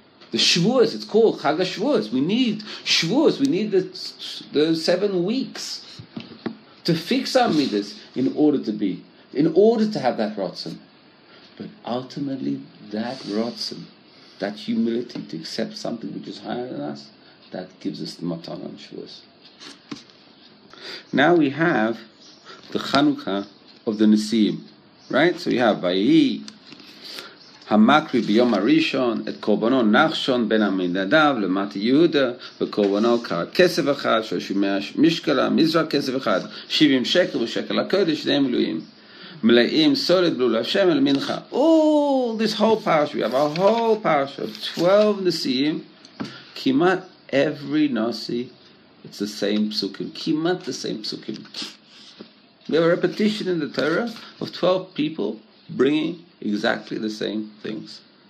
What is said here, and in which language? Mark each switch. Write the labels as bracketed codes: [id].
[en] The Shavuos, it's called Chag HaShavuos. We need Shavuos, we need the 7 weeks to fix our midas in order to be, in order to have that rotzen. But ultimately, that rotzen, that humility to accept something which is higher than us, that gives us the matan on Shavuos. Now we have the Chanukah of the Nesiim, right? [he] So we have Vayi, המקריב ביום הראשון את קורבנו נחשון בן עמינדב למטה יהודה וקורבנו קרא כסף אחד שושים משקלה מזרק כסף אחד 70 שקל ושקל הקודש שני מלואים מלאים סולד בלול השם אל מנחה. [en] All this whole parasha, we have a whole parasha of 12 נשיאים. כמעט every nasi, it's the same psukim, כמעט the same psukim. We have a repetition in the Torah of 12 people bringing exactly the same things.